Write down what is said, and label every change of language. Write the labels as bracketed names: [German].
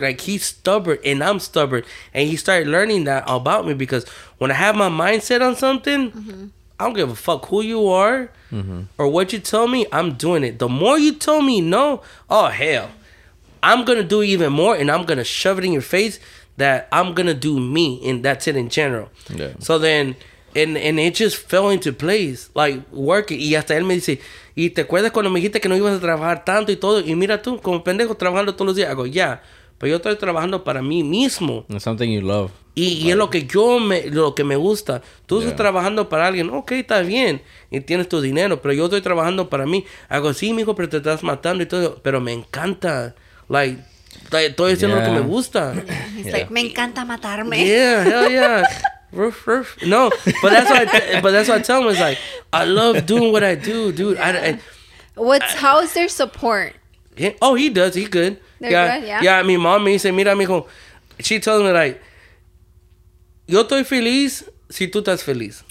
[English] Like, he's stubborn, and I'm stubborn. And he started learning that about me because when I have my mindset on something, mm-hmm. I don't give a fuck who you are mm-hmm. or what you tell me, I'm doing it. The more you tell me no, oh, hell. I'm going to do even more, and I'm going to shove it in your face that I'm going to do me, and that's it in general. Yeah. So then, and it just fell into place, like, working. [Spanish] Y hasta él me dice, ¿y te acuerdas cuando me dijiste que no ibas a trabajar tanto y todo? Y mira tú, como pendejo, trabajando todos los días. [English] I go, yeah, [Spanish] pero yo estoy trabajando para mí mismo. [English] It's something you love. [Spanish] Y, like, y es lo que yo, me, lo que me gusta. Tú yeah. estás trabajando para alguien, ok, está bien, y tienes tu dinero, pero yo estoy trabajando para mí. [English] I go, [Spanish] sí, mijo, pero te estás matando y todo, pero me encanta... [English] Like, [Spanish] todo eso es lo que me gusta. [English] He's yeah. like, [Spanish] me encanta matarme. [English] Yeah, hell yeah. Ruff, ruff. No, but that's what I tell him. It's like, I love doing what I do, dude. Yeah. How is their support? Oh, he does. He good. They're yeah. good, yeah. [Spanish] Yeah, mi mami dice, mira, mijo. [English] She tells me, like, [Spanish] yo estoy feliz si tú estás feliz.